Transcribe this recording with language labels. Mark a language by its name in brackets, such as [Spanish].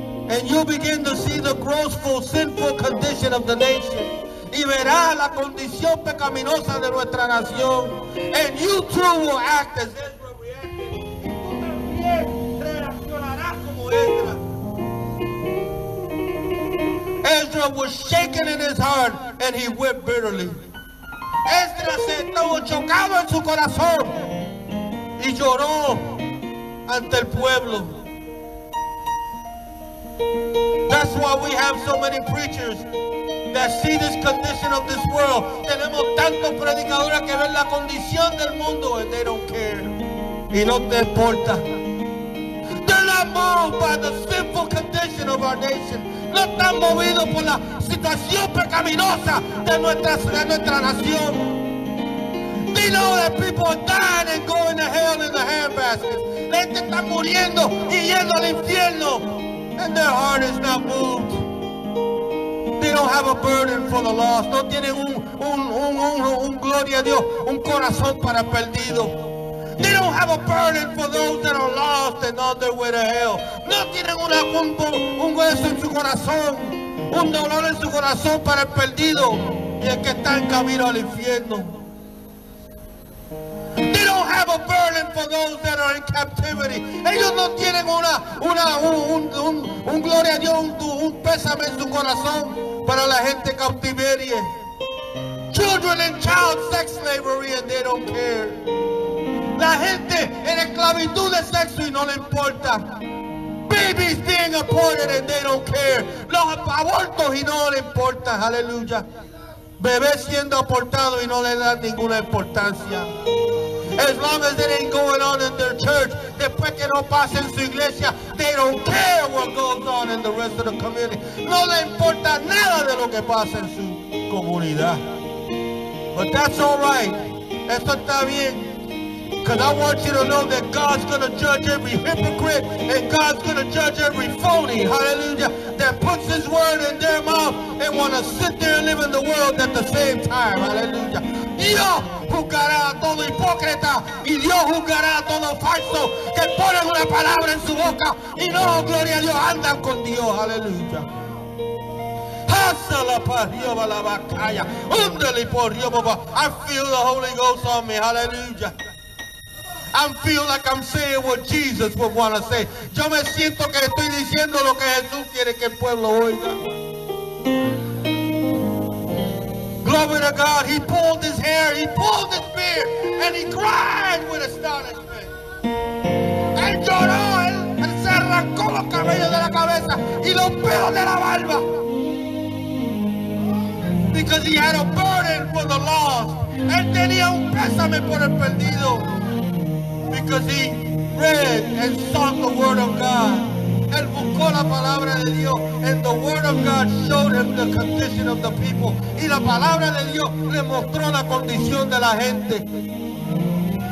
[English] And you begin to see the grossful, sinful condition of the nation. [Spanish] Y verá la condición pecaminosa de nuestra nación. [English] And you too will act as Israel reacted. [Spanish] Tú también reaccionarás como Israel. [English] Ezra was shaken in his heart and he wept bitterly. [Spanish] Ezra se estaba chocado en su corazón y lloró ante el pueblo. [English] That's why we have so many preachers that see this condition of this world. [Spanish] Tenemos tantos predicadores que ven la condición del mundo [English] and they don't care. [Spanish] Y no te importa. [English] They're not moved by the sinful condition of our nation. [Spanish] No están movidos por la situación pecaminosa de nuestra nación. [English] We know that people are dying and going to hell in the handbaskets. [Spanish] Gente está muriendo y yendo al infierno. [English] And their heart is not moved. They don't have a burden for the lost. [Spanish] No tienen un gloria a Dios, un corazón para perdido. [English] They don't have a burden for those that are lost and on their way to hell. [Spanish] No tienen un hueso en su corazón, un dolor en su corazón para el perdido y el que está en camino al infierno. [English] They don't have a burden for those that are in captivity. [Spanish] Ellos no tienen un gloria a Dios, un pésame en su corazón para la gente cautiveria. [English] Children in child sex slavery and they don't care. [Spanish] La gente en esclavitud de sexo y no le importa. [English] Babies being aborted and they don't care. [Spanish] Los abortos y no le importa. Aleluya. Bebés siendo abortados y no le dan ninguna importancia. [English] As long as it ain't going on in their church, [Spanish] después que no pase en su iglesia, [English] they don't care what goes on in the rest of the community. [Spanish] No le importa nada de lo que pasa en su comunidad. [English] But that's all right. [Spanish] Esto está bien. [English] Because I want you to know that God's going to judge every hypocrite and God's going to judge every phony, hallelujah, that puts his word in their mouth and want to sit there and live in the world at the same time, hallelujah. [Spanish] Dios juzgará a todo hipócrita y Dios juzgará a todo falso que pone una palabra en su boca y no, gloria a Dios, anda con Dios, hallelujah. [English] I feel the Holy Ghost on me, hallelujah. I feel like I'm saying what Jesus would want to say. [Spanish] Yo me siento que estoy diciendo lo que Jesús quiere que el pueblo oiga. [English] Glory to God, he pulled his hair, he pulled his beard, and he cried with astonishment. [Spanish] Él lloró, él se arrancó los cabellos de la cabeza y los pelos de la barba. [English] Because he had a burden for the lost. [Spanish] Él tenía un pésame por el perdido. [English] Because he read and sought the word of God. [Spanish] Él buscó la palabra de Dios. [English] And the word of God showed him the condition of the people. [Spanish] Y la palabra de Dios le mostró la condición de la gente.